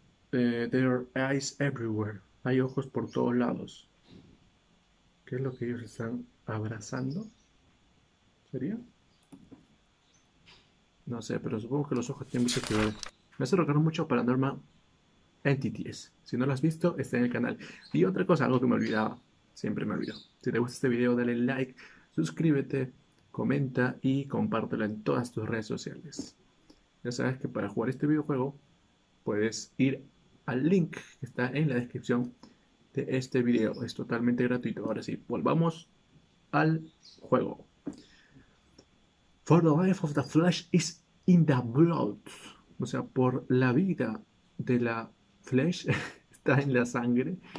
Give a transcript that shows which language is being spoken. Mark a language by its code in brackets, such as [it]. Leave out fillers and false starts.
[en] There are eyes everywhere. [es] Hay ojos por todos lados. ¿Qué es lo que ellos están abrazando? ¿Sería? No sé, pero supongo que los ojos tienen muchas actividades. Me hace recordar mucho Paranormal Entities. Si no lo has visto, está en el canal. Y otra cosa, algo que me olvidaba. Siempre me olvido. Si te gusta este video, dale like, suscríbete, comenta y compártelo en todas tus redes sociales. Ya sabes que para jugar este videojuego, puedes ir al link que está en la descripción de este video. Es totalmente gratuito. Ahora sí, volvamos al juego. [en] For the life of the flesh is in the blood. [es] O sea, por la vida de la flesh está en la sangre.